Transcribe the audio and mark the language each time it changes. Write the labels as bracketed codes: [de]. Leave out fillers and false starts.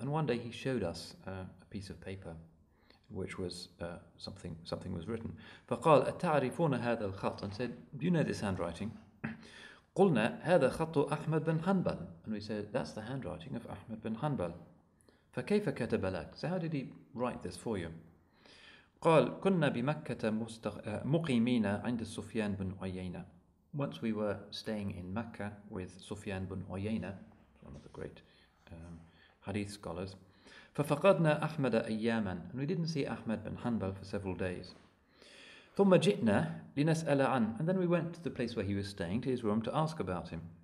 [en] And one day he showed us a piece of paper, which was something was written. [ar] فقال أتعرفون هذا الخط? [en] And said, do you know this handwriting? [ar] قلنا هذا خط أحمد بن حنبل. [en] And we said, that's the handwriting of Ahmad bin Hanbal. [ar] فكيف كتب لك? [en] So how did he write this for you? [ar] قال كنا بمكة مقيمين عند سفيان بن عيينة. [en] Once we were staying in Mecca with Sufyan bin Uyayna, one of the great Hadith scholars, [ar] ففقدنا أحمد أياما, [en] and we didn't see Ahmad bin Hanbal for several days. [ar] ثم جئنا لنسأل عن, [en] and then we went to the place where he was staying, to his room, to ask about him.